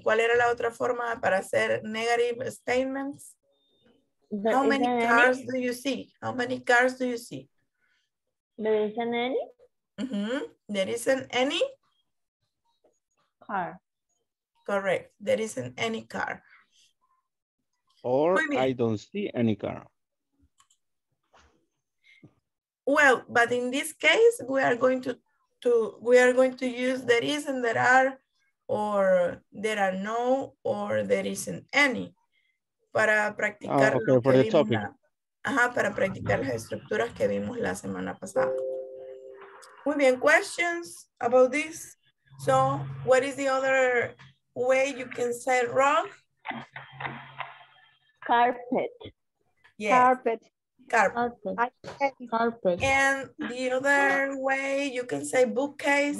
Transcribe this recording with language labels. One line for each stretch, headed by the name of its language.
Spanish: ¿Cuál era la otra forma para hacer
English: negative statements? There How many cars any? Do you see? How many cars do you see? There isn't any. Mm-hmm. There isn't any car. Correct. There isn't any car. Or I don't see any car. Well, but in this case, we are going to use there is and there are, or there are no, or there isn't any.
Spanish: Para practicar para practicar las estructuras que vimos la semana pasada. Muy bien,
English: questions about this? So, what is the other way you can say rock? Carpet. Yes. Carpet. Carpet. Carpet. And the other way you can say bookcase?